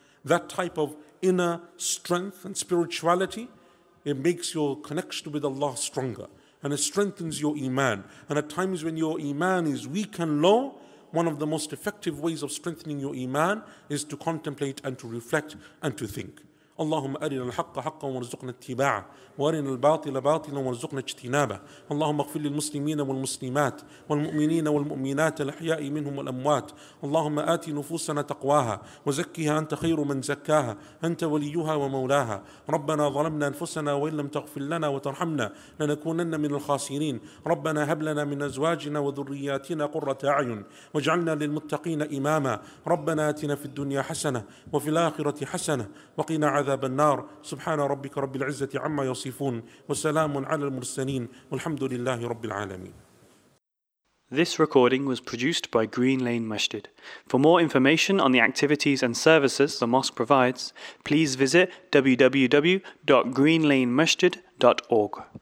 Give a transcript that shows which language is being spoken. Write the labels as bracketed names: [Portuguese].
[English] That type of inner strength and spirituality, it makes your connection with Allah stronger. And it strengthens your iman. And at times when your iman is weak and low, one of the most effective ways of strengthening your iman is to contemplate and to reflect and to think. [Arabic] اللهم أرنا الحق حقا وارزقنا اتباعه وأرنا الباطل باطلا وارزقنا اجتنابه اللهم اغفر للمسلمين والمسلمات والمؤمنين والمؤمنات الأحياء منهم والأموات اللهم آت نفوسنا تقواها وزكها أنت خير من زكاها أنت وليها ومولاها ربنا ظلمنا أنفسنا وإن لم تغفر لنا وترحمنا لنكونن من الخاسرين ربنا هب لنا من أزواجنا وذرياتنا قرة أعين واجعلنا للمتقين إماما ربنا آتنا في الدنيا حسنة وفي الآخرة حسنة وقنا عذاب النار سبحان ربك رب العزة عما يصفون وسلام على المرسلين والحمد لله رب العالمين. [English] This recording was produced by Green Lane Masjid. For more information on the activities and services the mosque provides, please visit www.greenlanemasjid.org.